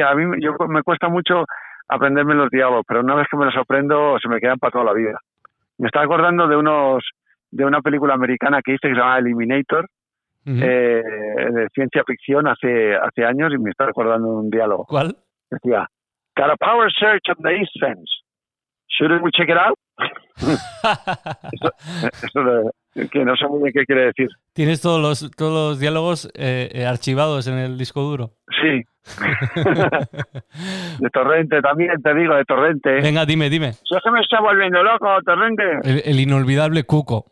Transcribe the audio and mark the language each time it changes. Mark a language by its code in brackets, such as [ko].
[es] A mí me cuesta mucho aprenderme los diálogos, pero una vez que me los aprendo, se me quedan para toda la vida. Me estaba acordando de una película americana que hice que se llama Eliminator, uh-huh. De ciencia ficción hace años, y me estaba acordando de un diálogo. ¿Cuál? Decía, [en] got a power surge on the east fence. Shouldn't we check it out? [es] que no sé muy bien qué quiere decir. Tienes todos los diálogos archivados en el disco duro. Sí. De Torrente también, te digo, de Torrente. Venga, dime. Yo se me está volviendo loco, Torrente. El inolvidable Cuco.